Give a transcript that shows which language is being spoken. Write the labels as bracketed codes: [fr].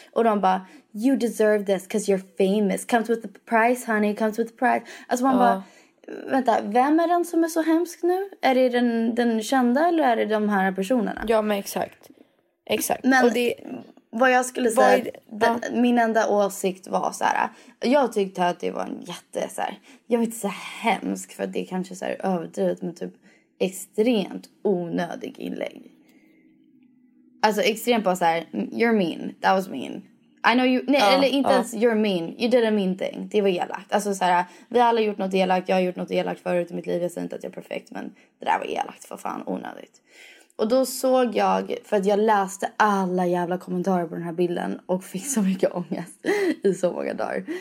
[sv] Och de bara, [en] you deserve this because you're famous. Comes with the price, honey, comes with the price. [sv] Alltså man bara, vänta, vem är den som är så hemsk nu? Är det den kända eller är det de här personerna? Ja, men exakt. Exakt. Men och det, vad jag skulle säga, min enda åsikt var så här. Jag tyckte att det var en jätte, så här, jag vet inte, så hemsk. För det är kanske så här överdrivet, men typ extremt onödig inlägg. Alltså extremt bara så här, [en] you're mean, that was mean. I know you, ens you're mean. You did a mean thing. [sv] Det var elakt. Alltså så här, vi har alla gjort något elakt. Jag har gjort något elakt förut i mitt liv. Jag säger inte att jag är perfekt, men det där var elakt. För fan, onödigt. Och då såg jag, för att jag läste alla jävla kommentarer på den här bilden och fick så mycket ångest i så många dagar.